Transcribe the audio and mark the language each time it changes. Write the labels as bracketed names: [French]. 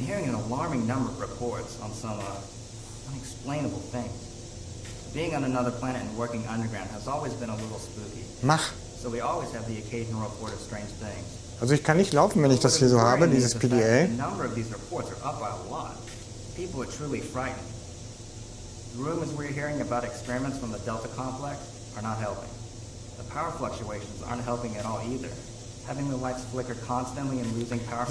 [English] I've been hearing an alarming number of reports on some unexplainable things. Being on another planet and working underground has always been a little spooky. [German] Mach. [English] So we always have the occasional report of strange things. [German] Also ich kann nicht laufen, wenn ich das hier so habe, dieses PDA. [English] The number of these reports are up by a lot. People are truly frightened. The rumors we're hearing about experiments from the Delta Complex are not helping. The power fluctuations aren't helping at all either. Having the lights flicker constantly and losing power.